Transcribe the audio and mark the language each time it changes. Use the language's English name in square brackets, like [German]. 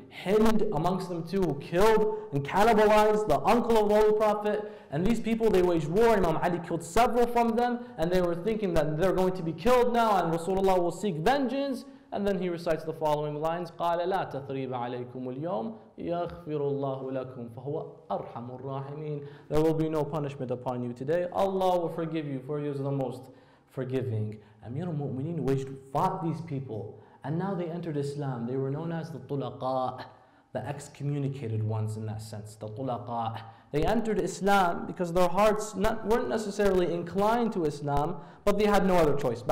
[English] Hind amongst them too, who killed and cannibalized the uncle of the Holy Prophet. And these people, they waged war. Imam Ali killed several from them, and they were thinking that they're going to be killed now, and Rasulullah will seek vengeance. And then he recites the following lines: [Arabic] قَالَ لَا تَثْرِيبَ عَلَيْكُمُ الْيَوْمِ يَغْفِرُ اللَّهُ لَكُمْ فَهُوَ أَرْحَمُ الرَّاحِمِينَ. [English] There will be no punishment upon you today. Allah will forgive you, for He is the most forgiving. Amir al-Mu'mineen fought these people, and now they entered Islam. They were known as the Tulaqa, the excommunicated ones in that sense, the Tulaqa. They entered Islam because their hearts weren't necessarily inclined to Islam, but they had no other choice.